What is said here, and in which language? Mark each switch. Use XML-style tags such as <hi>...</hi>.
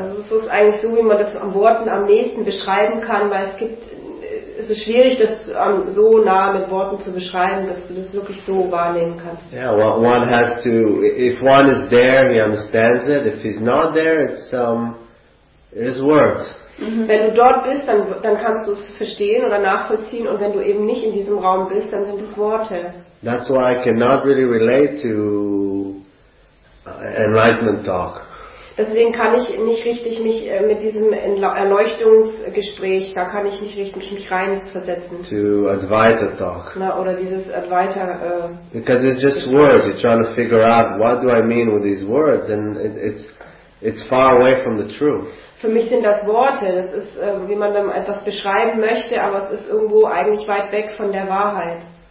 <de>Also es ist eigentlich so, wie man das am Worten am nächsten beschreiben kann, weil es ist schwierig, das so nah mit Worten zu beschreiben, dass du das wirklich so wahrnehmen kannst.</de> <en>Yeah, well, one has to. If one is there, he understands it. If he's not there, it's words. Mm-hmm.</en> <de>Wenn du dort bist, dann kannst du es verstehen oder nachvollziehen. Und wenn du eben nicht in diesem Raum bist, dann sind es Worte.</de> <en>That's why I cannot really relate to enlightenment talk.</en> <de>Deswegen kann ich nicht richtig mich mit diesem Erleuchtungsgespräch, da kann ich nicht richtig mich reinversetzen.</de> <en>To Advaita talk.</en> <de>Na, oder dieses Advaita.</de> <en>Because it's just words. You're trying to figure out what do I mean with these words, and it's It's far away from the truth.</en> <de>Für mich sind das Worte. Das ist, wie man dann etwas beschreiben möchte, aber es ist irgendwo eigentlich weit weg von der Wahrheit.</de>